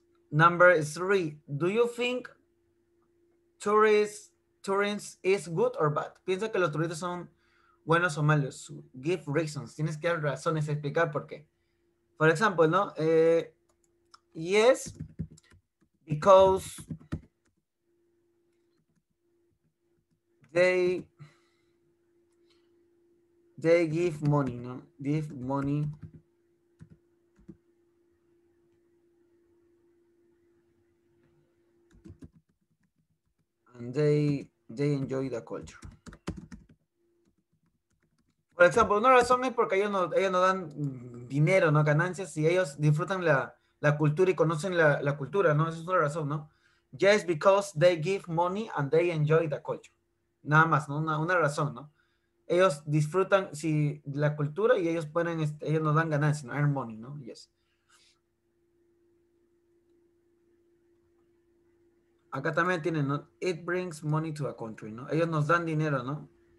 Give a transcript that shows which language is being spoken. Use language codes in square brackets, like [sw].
[en] Number three, do you think tourists is good or bad? [es] ¿Piensa que los turistas son buenos o malos? [en] Give reasons, [es] tienes que dar razones, explicar por qué. [en] For example, ¿no? Yes, because they give money, ¿no? Give money. And they enjoy the culture. [es] Por ejemplo, una razón es porque ellos no dan dinero, ¿no? Ganancias, y ellos disfrutan la cultura y conocen la cultura, ¿no? Esa es una razón, ¿no? [en] Yes, because they give money and they enjoy the culture. [es] Nada más, ¿no? Una razón, ¿no? Ellos disfrutan la cultura y ellos pueden, ellos nos dan ganancias, ¿no? [en] Earn money, [es] ¿no? [en] Yes. [es] Acá también tienen, ¿no? [en] It brings money to a country, [es] ¿no? Ellos nos dan dinero, ¿no?